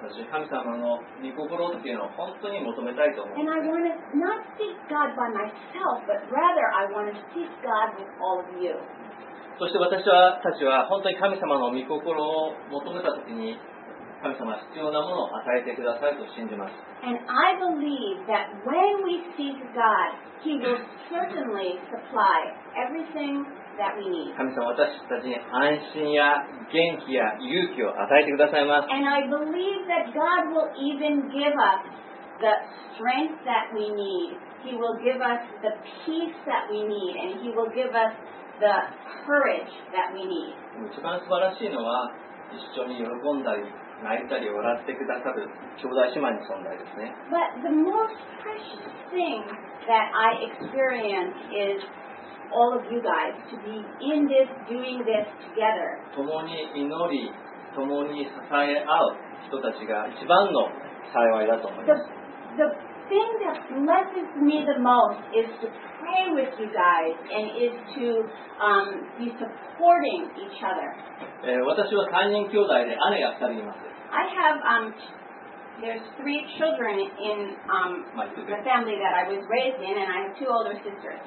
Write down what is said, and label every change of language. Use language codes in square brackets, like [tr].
[ja] 神様の御心というのを本当に求めたいと思います。 [en] And I want to not seek God by myself, but rather I want to seek God with all of you. [ja] そして私たちは本当に神様の御心を求めたときに、神様は必要なものを与えてくださると信じます。 [en] And I believe that when we seek God, He will certainly supply everything that we need. [ja] 神様は私たちに安心や元気や勇気を与えてくださいます。 [en] And I believe that God will even give us the strength that we need. He will give us the peace that we need, and He will give us the courage that we need. [ja] 一番素晴らしいのは一緒に喜んだり泣いたり笑ってくださる兄弟姉妹の存在ですね。 [en] But the most precious thing that I experience is all of you guys to be in this, doing this together. [ja] 共に祈り、共に支え合う人たちが一番の幸いだと思います。 [en] The thing that blesses me the most is to pray with you guys and is to be supporting each other. [ja] 私は3人兄弟で姉が2人います。 [en] I have there's three children in the family that I was raised in, and I have two older sisters.